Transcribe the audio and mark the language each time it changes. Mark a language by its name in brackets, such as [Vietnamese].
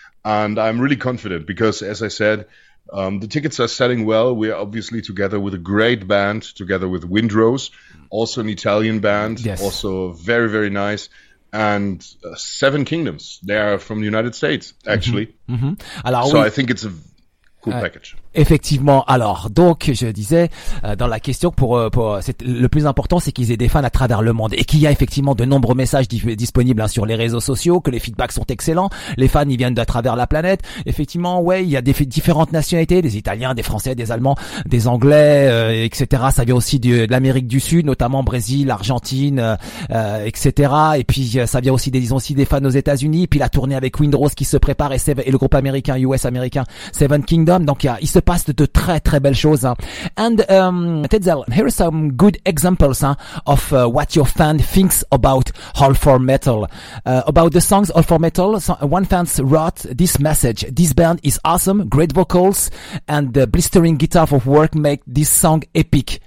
[English] And I'm really confident because, as I said, the tickets are selling well. We are obviously together with a great band, together with Windrose, also an Italian band, yes. Also very, very nice. And Seven Kingdoms, they are from the United States, actually. [French] Mm-hmm. Alors, [English] so [French] oui. [English] I think it's a cool package. [French] Effectivement. Alors, donc, je disais, dans la question, pour c'est, le plus important, c'est qu'ils aient des fans à travers le monde et qu'il y a effectivement de nombreux messages disponibles hein, sur les réseaux sociaux, que les feedbacks sont excellents. Les fans, ils viennent d'à travers la planète. Effectivement, ouais, il y a des différentes nationalités, des Italiens, des Français, des Allemands, des Anglais, etc. Ça vient aussi de l'Amérique du Sud, notamment Brésil, Argentine, etc. Et puis, ça vient aussi des fans aux États-Unis. Puis la tournée avec Windrose qui se prépare et le groupe américain, US américain, Seven Kingdom. Donc, il se passe de très très belles choses. Hein. [English] And Tetzel, here are some good examples of what your fan thinks about All For Metal. About the songs All For Metal, one fan wrote this message: "This band is awesome, great vocals, and the blistering guitar of work make this song epic.